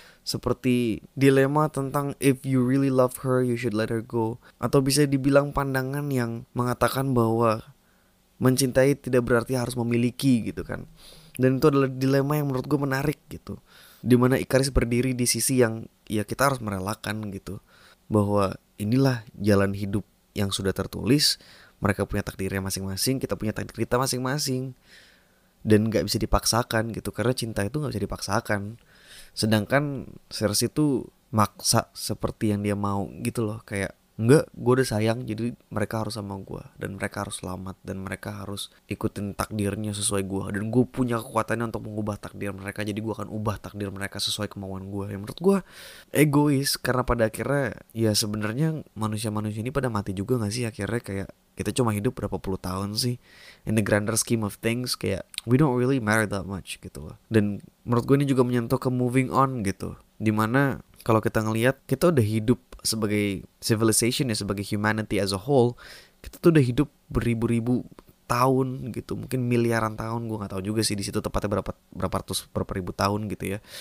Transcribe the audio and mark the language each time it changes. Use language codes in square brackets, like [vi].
[id] Seperti dilema tentang [en] if you really love her, you should let her go. [id] Atau bisa dibilang pandangan yang mengatakan bahwa mencintai tidak berarti harus memiliki gitu kan. Dan itu adalah dilema yang menurut gue menarik gitu. Dimana Ikaris berdiri di sisi yang ya kita harus merelakan gitu. Bahwa inilah jalan hidup yang sudah tertulis. Mereka punya takdirnya masing-masing, kita punya takdir kita masing-masing. Dan gak bisa dipaksakan gitu, karena cinta itu gak bisa dipaksakan. Sedangkan Cersei itu maksa seperti yang dia mau gitu loh. Kayak, enggak, gue udah sayang, jadi mereka harus sama gue. Dan mereka harus selamat, dan mereka harus ikutin takdirnya sesuai gue. Dan gue punya kekuatannya untuk mengubah takdir mereka, jadi gue akan ubah takdir mereka sesuai kemauan gue. Yang menurut gue egois, karena pada akhirnya ya sebenarnya manusia-manusia ini pada mati juga gak sih? Akhirnya kayak kita cuma hidup berapa puluh tahun sih? [en] In the grander scheme of things, kayak we don't really matter that much gitu loh. [id] Dan menurut gue ini juga menyentuh ke moving on gitu. Dimana kalau kita ngelihat kita udah hidup sebagai civilization ya, sebagai [en] humanity as a whole, [id] kita tuh udah hidup beribu-ribu tahun gitu, mungkin miliaran tahun, gue nggak tahu juga sih di situ tepatnya berapa ratus berapa ribu tahun gitu ya.